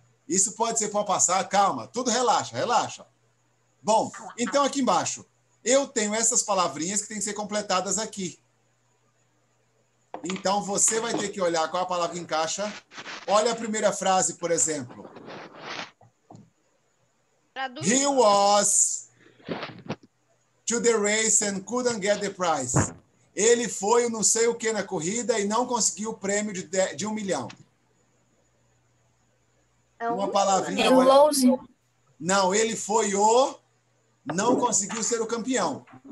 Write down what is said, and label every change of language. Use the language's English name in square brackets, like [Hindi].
[Portuguese] Isso pode ser para passar, calma. Tudo relaxa, relaxa. Bom, então aqui embaixo. Eu tenho essas palavrinhas que têm que ser completadas aqui. Então, você vai ter que olhar qual a palavra que encaixa. Olha a primeira frase, por exemplo. Traduz. [English] He was to the race and couldn't get the prize. [Portuguese] Ele foi não sei o que na corrida e não conseguiu o prêmio de 1 milhão. É uma palavrinha. Olha. Não, ele foi o... Não conseguiu ser o campeão.